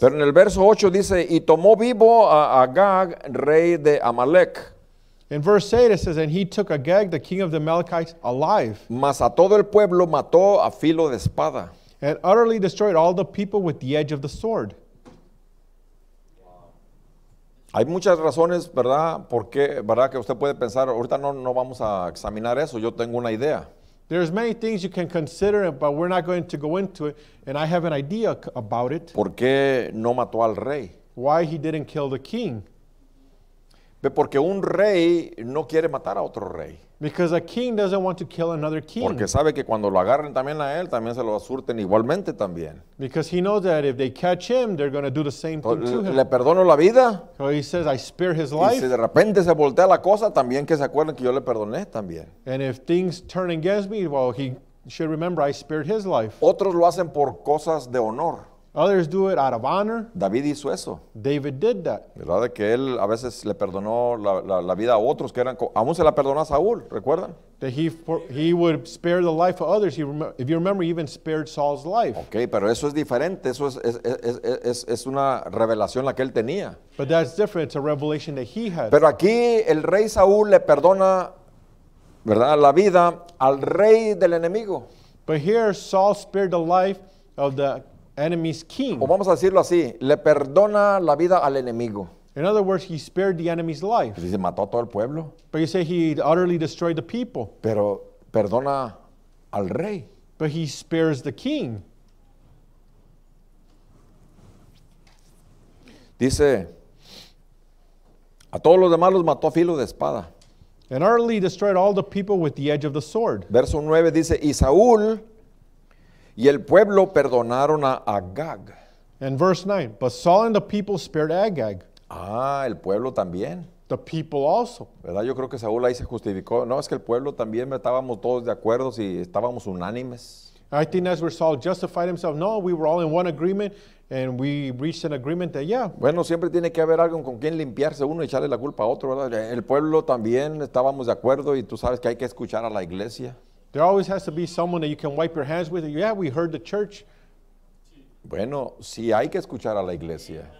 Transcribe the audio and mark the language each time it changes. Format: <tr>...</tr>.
<es>Pero en el verso 8 dice, y tomó vivo a Agag, rey de Amalek.</es> <en>In verse 8 it says, and he took Agag, the king of the Amalekites, alive.</en> <es>Mas a todo el pueblo mató a filo de espada.</es> <en>And utterly destroyed all the people with the edge of the sword.</en> <es>Hay muchas razones, ¿verdad? Porque, ¿verdad? Que usted puede pensar, ahorita no vamos a examinar eso, yo tengo una idea.</es> <en>There's many things you can consider, but we're not going to go into it, and I have an idea about it.</en> <es>¿Por qué no mató al rey?</es> <en>Why he didn't kill the king?</en> <es>Porque un rey no quiere matar a otro rey.</es> <en>Because a king doesn't want to kill another king.</en> <es>Porque sabe que cuando lo agarren también a él, también se lo surten igualmente también.</es> <en>Because he knows that if they catch him, they're going to do the same thing to him.</en> <es>Le perdono la vida.</es> <en>So he says, I spare his life.</en> <es>Y si de repente se voltea la cosa, también que se acuerden que yo le perdoné también.</es> <en>And if things turn against me, well, he should remember I spared his life.</en> <es>Otros lo hacen por cosas de honor.</es> <en>Others do it out of honor.</en> <es>David hizo eso.</es> <en>David did that.</en> <es>¿Verdad que él a veces le perdonó la vida a otros que eran aún se la perdonó a Saúl, ¿recuerdan?</es> <en>That he would spare the life of others. If you remember, he even spared Saul's life.</en> <es>Okay, pero eso es diferente. Eso es una revelación la que él tenía.</es> <en>But that's different. It's a revelation that he had.</en> <es>Pero aquí el rey Saúl le perdona, ¿verdad? La vida al rey del enemigo.</es> <en>But here Saul spared the life of the enemy's king.</en> <es>O vamos a decirlo así, le perdona la vida al enemigo.</es> <en>In other words, he spared the enemy's life.</en> <es>Dice, mató a todo el pueblo.</es> <en>But you say he utterly destroyed the people.</en> <es>Pero perdona al rey.</es> <en>But he spares the king.</en> <es>Dice, a todos los demás los mató a filo de espada.</es> <en>And utterly destroyed all the people with the edge of the sword.</en> <es>Verso 9 dice, y Saúl y el pueblo perdonaron a Agag.</es> <en>And verse 9, but Saul and the people spared Agag.</en> <es>Ah, el pueblo también.</es> <en>The people also.</en> <es>¿Verdad? Yo creo que Saúl ahí se justificó. No, es que el pueblo también, estábamos todos de acuerdo y estábamos unánimes.</es> <en>I think that's where Saul justified himself. No, we were all in one agreement and we reached an agreement that, yeah.</en> <es>Bueno, siempre tiene que haber alguien con quien limpiarse uno y echarle la culpa a otro, ¿verdad? El pueblo también estábamos de acuerdo y tú sabes que hay que escuchar a la iglesia.</es> <en>There always has to be someone that you can wipe your hands with. Yeah, we heard the church.</en> <es>Bueno, sí, hay que escuchar a la iglesia.</es>